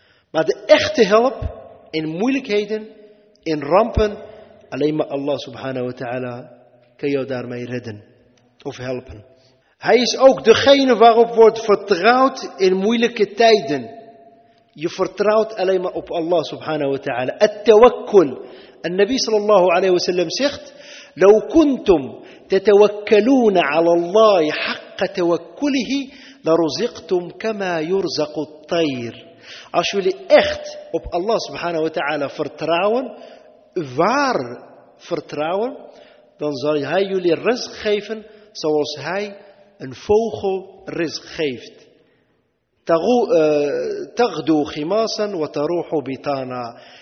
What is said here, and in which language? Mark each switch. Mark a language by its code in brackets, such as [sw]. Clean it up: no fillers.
[nl] Maar de echte help in moeilijkheden, in rampen, alleen maar Allah subhanahu wa ta'ala kan jou daarmee redden of helpen. Hij is ook degene waarop wordt vertrouwd in moeilijke tijden. Je vertrouwt alleen maar op Allah subhanahu wa ta'ala. [ar] At-tawakkul. [nl] En Nabi sallallahu alayhi wa sallam zegt, [ar] لو كنتم تتوكلون على الله حق توكله لرزقتم كما يرزق الطير. [nl] Als jullie echt op Allah subhanahu wa ta'ala vertrouwen, waar vertrouwen, dan zal hij jullie rizq geven zoals hij een vogel rizq geeft. [ar] تغدو خماسا وتروح بطانا.